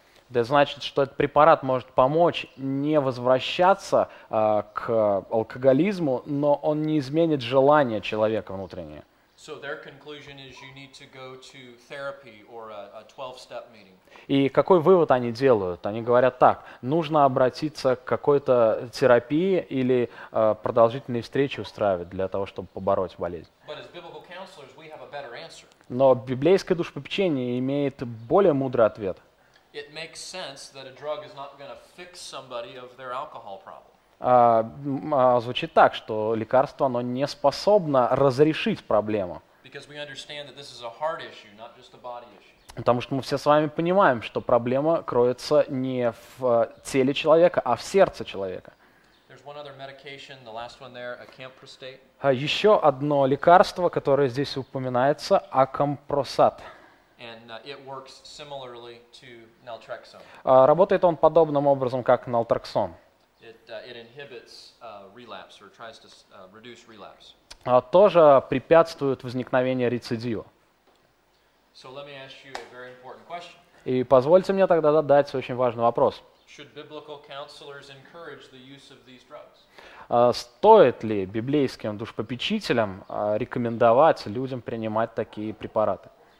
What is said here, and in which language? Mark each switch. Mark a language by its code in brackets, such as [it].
[ru] Это значит, что этот препарат может помочь не возвращаться к алкоголизму, но он не изменит желание человека внутреннее. [en] So their conclusion is you need to go to therapy or a 12-step meeting. [ru] И какой вывод они делают? Они говорят так: нужно обратиться к какой-то терапии или продолжительные встречи устраивать для того, чтобы побороть болезнь. [en] But as biblical counselors, we have a better answer. [ru] Но библейское душепопечение имеет более мудрый ответ. [en] It makes sense that a drug is not going to fix somebody of their alcohol problem. [ru] Звучит так, что лекарство, оно не способно разрешить проблему. [en] Because we understand that this is a heart issue, not just a body issue. [ru] Потому что мы все с вами понимаем, что проблема кроется не в теле человека, а в сердце человека. [en] There's one other medication, the last one there, acamprostate. [ru] Еще одно лекарство, которое здесь упоминается, акампросат. [en] And it works similarly to naltrexone. [ru] Работает он подобным образом, как нальтроксон. [en] It inhibits relapse or tries to reduce relapse. [ru] Тоже препятствует возникновению рецидива. [en] So let me ask you a very important question. [ru] И позвольте мне тогда задать очень важный вопрос. [en] Should biblical counselors encourage the use of these drugs? [ru] Стоит ли библейским душепопечителям рекомендовать людям принимать такие препараты?